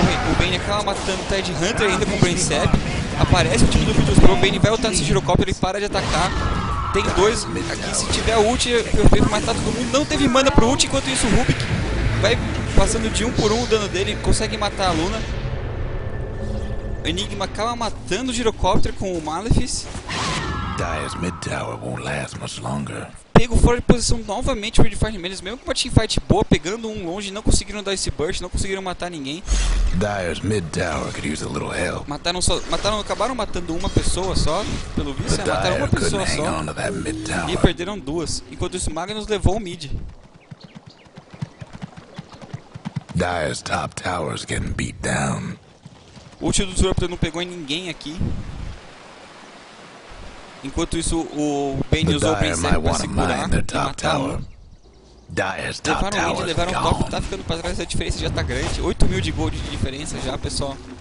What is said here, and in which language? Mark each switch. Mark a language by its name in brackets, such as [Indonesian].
[Portuguese] O Bane acaba matando o Tide Hunter ainda com o Brainsap. Aparece o time do Virtus Pro, o Bane vai ultar nesse Girocopter, ele para de atacar. Tem 2 aqui, se tiver ult, perfeito, mas tá todo mundo. Não teve mana pro ult, enquanto isso o Rubick vai passando de 1 por 1 o dano dele, consegue matar a Luna. Enigma acaba matando o Girocopter com o Malefice. [English] Dyer's mid tower won't last much longer. [Portuguese] Pego fora de posição novamente o Redfire Mendes, mesmo com uma teamfight boa, pegando um longe, não conseguiram dar esse burst, não conseguiram matar ninguém. [English] Dyer's mid tower could use a little help. [Portuguese] Acabaram matando uma pessoa só, pelo visto, mataram uma pessoa só e perderam duas. Enquanto isso, Magnus levou o mid. [English] Dyer's top tower's getting beat down. [Portuguese] O ult do Disruptor não pegou em ninguém aqui. Enquanto isso, o Bane usou o Brainsap pra segurar e matar o... Levaram o mid, levaram o top, tá ficando pra trás, a diferença já tá grande. 8 mil de gold de diferença já, pessoal.